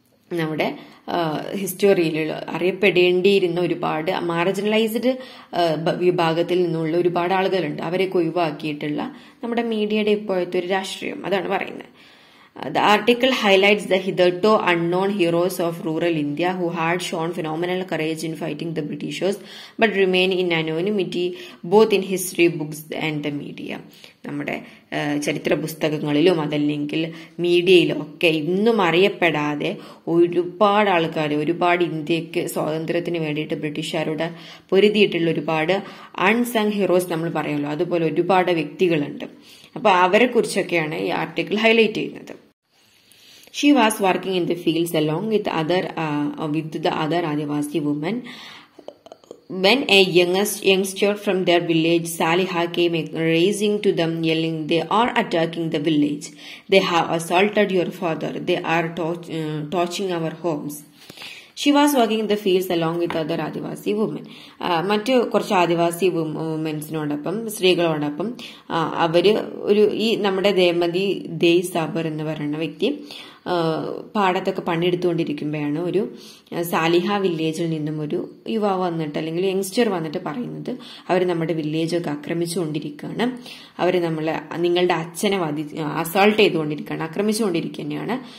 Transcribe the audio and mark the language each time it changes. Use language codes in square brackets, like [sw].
[ml] നമ്മുടെ ഹിസ്റ്റോറിയിൽ അറിയപ്പെടേണ്ടിയിരുന്ന ഒരുപാട് മാർജിനലൈസ്ഡ് വിഭാഗത്തിൽ നിന്നുള്ള ഒരുപാട് ആളുകളുണ്ട്, അവരെ ഒഴിവാക്കിയിട്ടുള്ള നമ്മുടെ മീഡിയയുടെ ഇപ്പോഴത്തെ ഒരു രാഷ്ട്രീയം, അതാണ് പറയുന്നത്. [en] The article highlights the hitherto unknown heroes of rural India who had shown phenomenal courage in fighting the Britishers but remain in anonymity both in history books and the media. [ml] നമ്മുടെ ചരിത്ര പുസ്തകങ്ങളിലും അതല്ലെങ്കിൽ മീഡിയയിലും ഒക്കെ ഇന്നും അറിയപ്പെടാതെ ഒരുപാട് ആൾക്കാർ, ഒരുപാട് ഇന്ത്യക്ക് സ്വാതന്ത്ര്യത്തിന് വേണ്ടിയിട്ട് ബ്രിട്ടീഷുകാരുടെ പൊരുതിയിട്ടുള്ള ഒരുപാട് അൺസങ് ഹീറോസ് നമ്മൾ പറയുമല്ലോ, അതുപോലെ ഒരുപാട് വ്യക്തികളുണ്ട്. അപ്പൊ അവരെ കുറിച്ചൊക്കെയാണ് ഈ ആർട്ടിക്കിൾ ഹൈലൈറ്റ് ചെയ്യുന്നത്. [en] She was working in the fields along with the other Adivasi woman. When a youngster from their village, Saliha, came raising to them yelling, "They are attacking the village. They have assaulted your father. They are torching our homes." She was walking the fields along with other Adivasi women. [ml] മറ്റു കുറച്ച് ആദിവാസി വുമൻസിനോടൊപ്പം, സ്ത്രീകളോടൊപ്പം അവര് ഒരു ഈ നമ്മുടെ ദേമതി ദേയ് സബർ എന്ന് പറയുന്ന വ്യക്തി പാടത്തൊക്കെ പണിയെടുത്തുകൊണ്ടിരിക്കുമ്പോഴാണ് ഒരു സാലിഹ വില്ലേജിൽ നിന്നും ഒരു യുവാവ് വന്നിട്ട് അല്ലെങ്കിൽ യങ്സ്റ്റർ വന്നിട്ട് പറയുന്നത്, അവർ നമ്മുടെ വില്ലേജൊക്കെ ആക്രമിച്ചുകൊണ്ടിരിക്കുകയാണ്, അവർ നമ്മളെ നിങ്ങളുടെ അച്ഛനെ അസോൾട്ട് ചെയ്തുകൊണ്ടിരിക്കുകയാണ്, ആക്രമിച്ചുകൊണ്ടിരിക്കുകയാണ്.